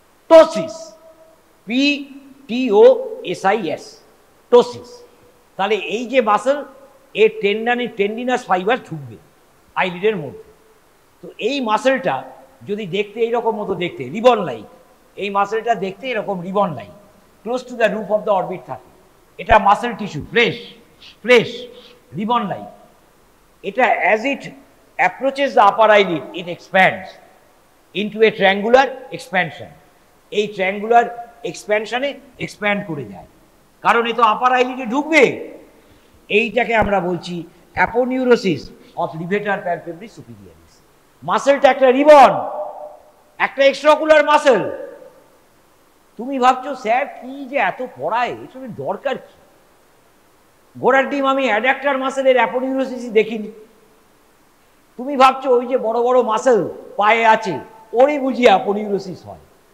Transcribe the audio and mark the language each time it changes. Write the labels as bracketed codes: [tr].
[bn] Ptosis PTOSIS ptosis তাহলে এই যে মাসেল এর টেন্ডিনাস ফাইবার ঢুকবে আইলিডের মধ্যে তো এই মাসেলটা যদি দেখতে এইরকম মতো দেখতে রিবন লাইক এই মাসেলটা দেখতে এরকম ribbon like close to the roof of the orbit থাকে এটা muscle tissue fresh fresh ribbon like এটা as it [en] approaches the upper eyelid, it expands into a triangular expansion. [bn] এই triangular expansion-এ expand করে যায়, কারণ এ তো upper eyelid-এ ঢুকবে। এইটাকে আমরা বলছি aponeurosis of levator palpebrae superioris. মাসেলটা একটা রিবন, একটা extraocular মাসেল। তুমি ভাবছো স্যার কি যে এত পড়ায়, এসবের দরকার কি? গোড়ার ডিম আমি অ্যাডাক্টর মাসেলের অ্যাপোনিউরোসিসই দেখিনি। তুমি ভাবছো ওই যে বড় বড় মাসেল পায়ে আছে ওরই বুঝি অ্যাপোনিউরোসিস হয়।